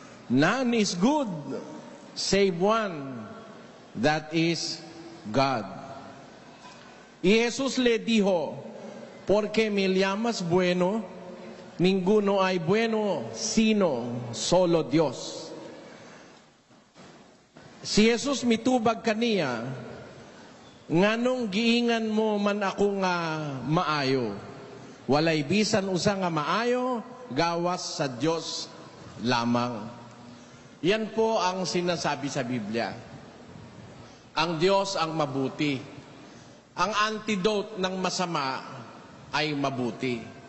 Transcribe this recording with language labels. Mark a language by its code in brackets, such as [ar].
[en] None is good save one, that is God." [es] Y Jesús le dijo, "¿Por qué me llamas bueno? Ninguno hay bueno sino solo Dios." [ceb] Si Jesús mitubag kaniya, "Nganong giingan mo man ako nga maayo? Walay bisan usa nga maayo gawas sa Diyos lamang." [tl] Yan po ang sinasabi sa Biblia. Ang Diyos ang mabuti. Ang antidote ng masama ay mabuti.